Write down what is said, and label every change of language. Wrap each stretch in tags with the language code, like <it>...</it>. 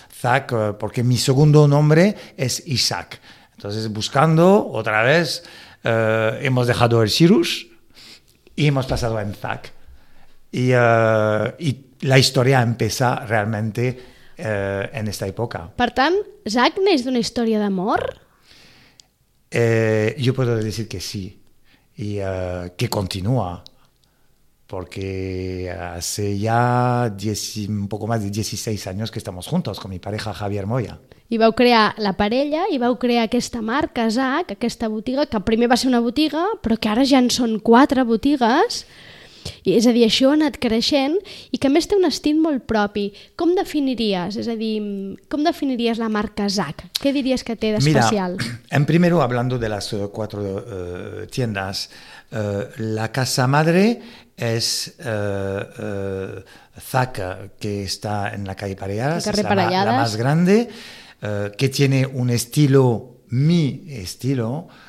<es>Zac, porque mi segundo nombre es Isaac. Entonces, buscando otra vez, hemos dejado el Cirrus y hemos pasado en Zac. Y la historia empieza realmente en esta época.</es> <ca>Per tant, Zac neix d'una història d'amor?</ca> <es>Yo puedo decir que sí. Y que continúa. Porque hace ya un poco más de 16 años que estamos juntos con mi pareja Javier Moya.</es> <ca>I vau crear la parella i vau crear aquesta marca, Zac, aquesta botiga, que primer va ser una botiga, però que ara ja en són quatre botigues. I, és a dir, això ha anat creixent i que a més té un estil molt propi. Com definiries, és a dir, com definiries la marca Zac? Què diries que té d'especial?</ca> <es>Mira,</es> <ca>en primer lloc,</ca> <es>hablando de las cuatro tiendas, la casa madre es Zac, que está en la calle Parellades, es la más grande, que tiene un estilo, mi estilo.</es>